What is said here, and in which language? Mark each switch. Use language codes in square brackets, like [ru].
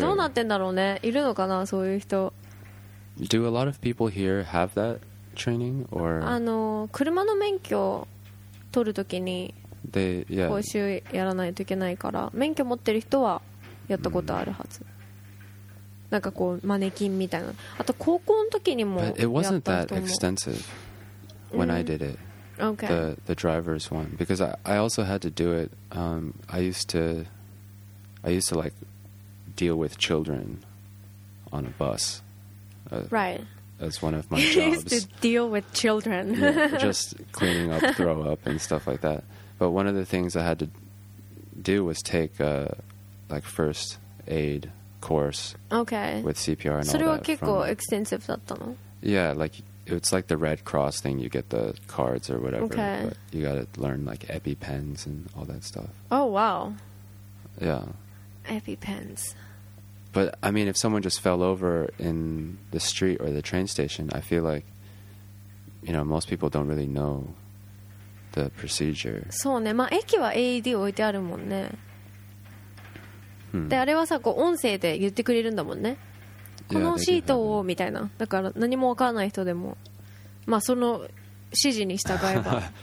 [ja] どうなってんだろうね。いるのかな、そういう人。 [en] Do a lot of people here have that training? Or... [ja] あの、車の免許取るときに、 [en] They, yeah. [ja] 講習やらないといけないから免許持ってる人はやったことあるはず、なんかこうマネキンみたいな、あと高校の時にもやった人も、 [en] But it wasn't that extensive when I did it、 okay. the driver's one because I also had to do it、I used to like deal with children on a bus、 right as one of my jobs I used to deal with children yeah, just cleaning up throw up and stuff like thatBut one of the things I had to do was take a like first aid course、 okay. with CPR and、 [ja] それは、 [en] all that. [ja] それは結構 extensive だったの? [en] Yeah, like it's like the Red Cross thing. You get the cards or whatever.、 Okay. But you got to learn like EpiPens and all that stuff. Oh, wow. Yeah. EpiPens. But I mean, if someone just fell over in the street or the train station, I feel like, you know, most people don't really know. The procedure. [ja] そうね、まあ、駅は AED 置いてあるもんね、 hmm. であれはさこう音声で言ってくれるんだもんね、 [en] yeah, [ja] このシートをみたいな、だから何も分からない人でも、まあ、その指示に従えば